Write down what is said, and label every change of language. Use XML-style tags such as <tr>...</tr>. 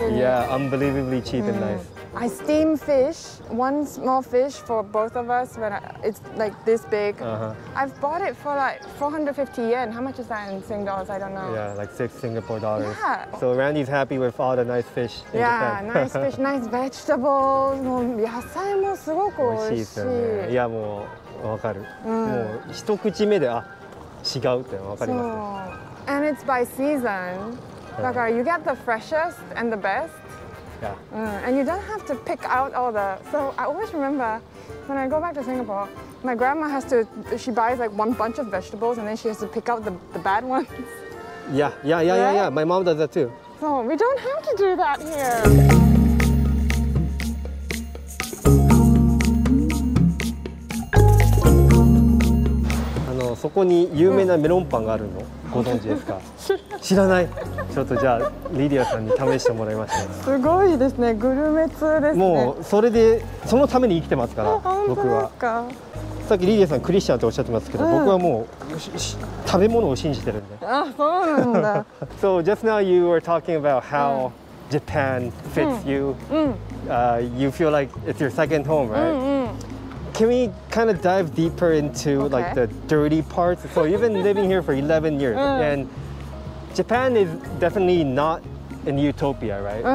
<en>yeah, unbelievably cheap and nice. I steam fish, one small fish for both of us, but it's like this big. Uh-huh. I've bought it for like 450 yen. How much is that in Sing dollars? I don't know. Yeah, like $6. Yeah. So Randy's happy with all the nice fish in Japan. Yeah, nice fish, nice vegetables.</en> <ja>もう野菜もすごく美味しい。いやもう分かる。もう一口目であ違うって分かります。</ja> <en>And it's by season.</en> <ja>だから</ja> <en>you get the freshest and the best. Yeah. And you don't have to pick out all the. So I always remember when I go back to Singapore, my grandma has to. She buys like one bunch of vegetables and then she has to pick out the bad ones. Yeah. My mom does that too. So we don't have to do that here.</en> <ja>そこに有名なメロンパンがあるの、うん、ご存知ですか？知らない。ちょっとじゃあリディアさんに試してもらいました。すごいですね、グルメ通ですね。もうそれでそのために生きてますから僕は。さっきリディアさんクリスチャンとおっしゃってますけど、うん、僕はもう食べ物を信じてるんで。あ、そうなんだ。</ja> <en>So just now you were talking about how、</en> <ja>うん、</ja> <en>Japan fits、うん、you、</en> <ja>うん、</ja> <en>you feel like it's your second home, right?、</en> <ja>うんうん、</ja> <en>Can we kind of dive deeper into、okay. like the dirty parts? So you've been living here for 11 years、</en> <ja>うん、</ja> <en>and Japan is definitely not an utopia, right?、</en>